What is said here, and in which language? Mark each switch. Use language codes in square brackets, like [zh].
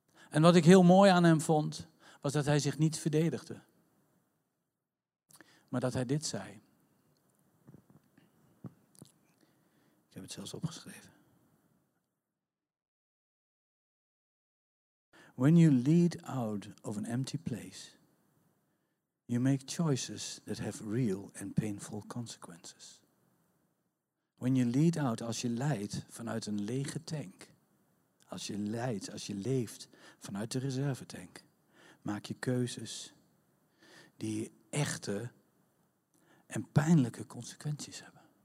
[nl] En wat ik heel mooi aan hem vond, was dat hij zich niet verdedigde. Maar dat hij dit zei. heb het zelfs opgeschreven. [en] When you lead out of an empty place, you make choices that have real and painful consequences. When you lead out, [nl] als je leidt vanuit een lege tank, als je leidt, als je leeft vanuit de reservetank, maak je keuzes die echte en pijnlijke consequenties hebben.